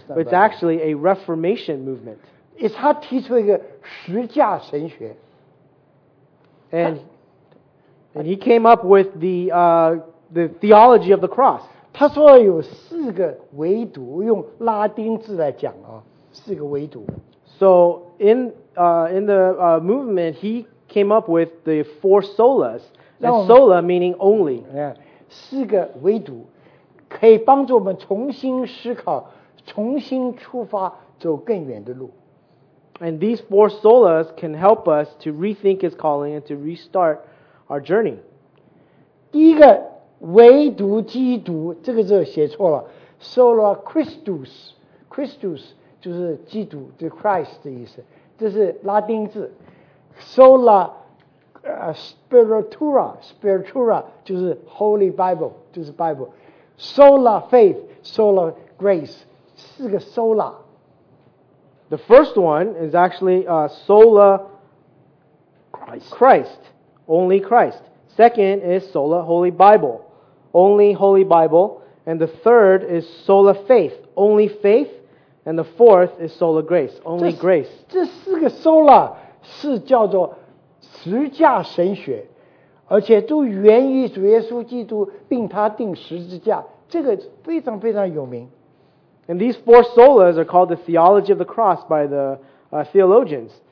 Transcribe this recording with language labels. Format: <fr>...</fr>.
<en>But it's actually a Reformation movement.</en> <zh>他提出一个十架神学。</zh> <en>And he came up with the theology of the cross.</en> <zh>他说有四个唯独，用拉丁字来讲啊，四个唯独。</zh> <en>So in the movement, he came up with the four solas, and sola meaning only.</en> <zh>Yeah, 四个唯独可以帮助我们重新思考，重新出发，走更远的路。</zh> <en>And these four solas can help us to rethink his calling and to restart our journey.</en> <zh>第一个，唯独基督，这个字写错了。Sola Christus, Christus 就是基督，就是 Christ 的意思，这是拉丁字 ，Sola Spiritura 就是 Holy Bible， 就是 Bible，Sola Faith， Sola Grace， 四个 Sola。</zh> <en>The first one is actually Sola Christ, only Christ. Second is Sola Holy Bible, only Holy Bible. And the third is Sola Faith, only Faith. And the fourth is Sola Grace, only Grace.</en> <zh>这四个 Sola 是叫做十架神学，而且都源于主耶稣基督，并他钉十字架，这个非常非常有名。</zh> <en>And these four solas are called the theology of the cross by the theologians.</en>